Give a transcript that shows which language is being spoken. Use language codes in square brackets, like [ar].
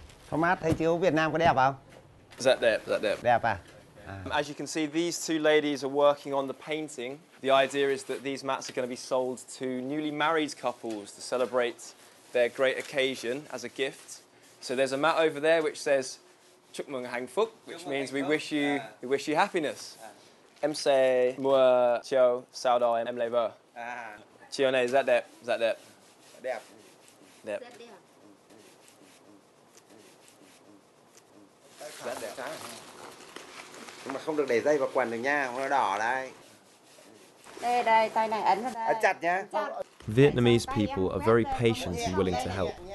[vi] Thomas, thấy chiếu Việt Nam có đẹp không? [en] Is that đẹp? [vi] Đẹp à? [en] As you can see, these two ladies are working on the painting. The idea is that these mats are going to be sold to newly married couples to celebrate their great occasion as a gift. So there's a mat over there which says [vi] Chúc mừng hạnh phúc, [en] which means we wish you happiness. [vi] Em sẽ mua chiếu sau đó em lấy vợ. Chiếu này rất đẹp, rất đẹp. Đẹp. Đẹp. Rất đẹp. Nhưng mà không được để dây vào quần được nha, không nó đỏ đây. Đây đây, tay này ấn vào đây. À, chặt nhá. [en] Vietnamese people are very patient and willing to help.